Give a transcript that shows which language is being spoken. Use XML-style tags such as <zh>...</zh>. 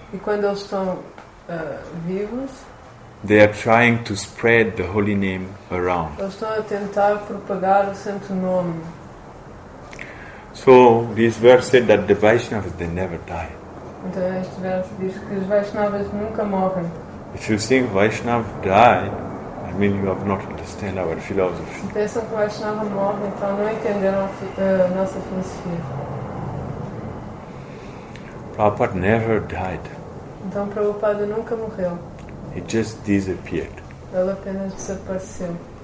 <pt>e quando eles estão vivos,</pt> <en>they are trying to spread the holy name around.</en> <pt>Eles estão a tentar propagar o santo nome.</pt> <en>So this verse said that the Vaishnavas they never die.</en> <pt>Então este verso diz que os Vaishnavas nunca morrem.</pt> <en>If you think Vaishnava die, I mean you have not understood our philosophy.</en> <pt>Se pensam que Vaishnava morre, então não entenderam a nossa filosofia.</pt> <en>Prabhupada never died.</en> <pt>Então Prabhupada nunca morreu.</pt> <en>He just disappeared.</en> <pt>Ele apenas desapareceu.</pt>